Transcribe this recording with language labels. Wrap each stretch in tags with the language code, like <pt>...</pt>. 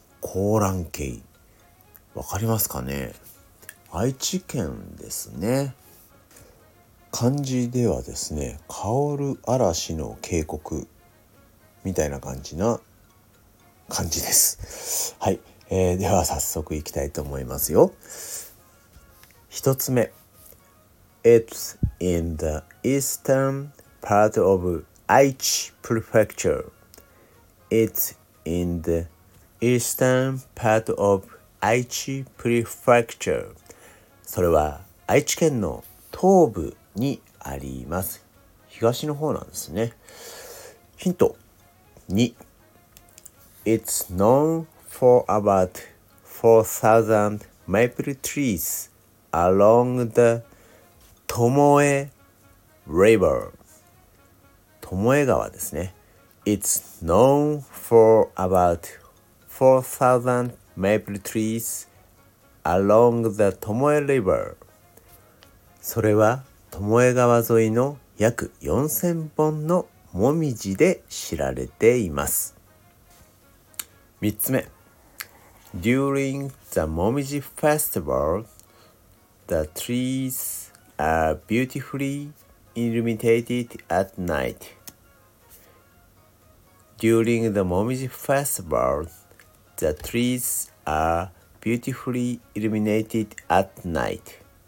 <ja>コーランケイ、わかりますかね。愛知県ですね。漢字ではですね、香る嵐の渓谷みたいな感じな感じです。はい、では早速行きたいと思いますよ。 1つ目、</ja> <en>It's in the eastern part of Aichi Prefecture. It's in the eastern part of Aichi Prefecture.</en> <ja>それは愛知県の東部にあります。東の方なんですね。ヒント2、</ja> <en>It's known for about 4,000 maple trees along the Tomoe River. Tomoe</en> <ja>川ですね。</ja> <en>It's known for about 4,000 maple trees along the Tomoe River.</en> <ja>それは Tomoe 川沿いの約4000本のモミジで知られています。 3つ目、</ja> <en>During the Momiji Festival, the trees are beautifully illuminated at night. During the Momiji Festival, the trees are beautifully illuminated at night.</en>